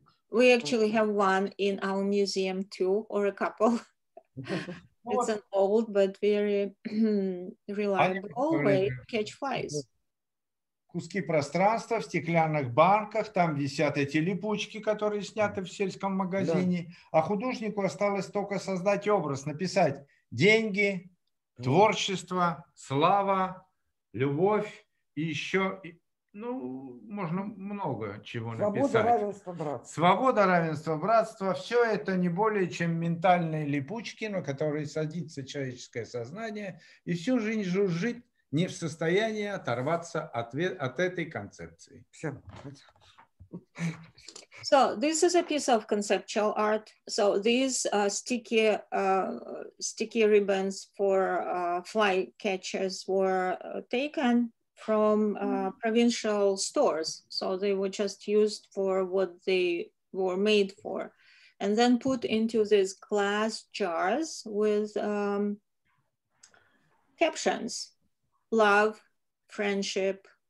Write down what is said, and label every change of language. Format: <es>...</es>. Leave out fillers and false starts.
<en>We actually have one in our museum too, or a couple. It's an old but very reliable way to catch flies.</en> <ru>Куски пространства в стеклянных банках, там висят эти липучки, которые сняты в сельском магазине. А художнику осталось только создать образ, написать деньги, творчество, слава, любовь и еще, ну, можно много чего свобода, написать. Свобода, равенство, братство. Свобода, равенство, братство. Все это не более чем ментальные липучки, на которые садится человеческое сознание и всю жизнь жужжит, не в состоянии оторваться от этой концепции.</ru> <en>So this is a piece of conceptual art. So these sticky ribbons for fly catchers were taken from provincial stores. So they were just used for what they were made for, and then put into these glass jars with captions: love, friendship,</en>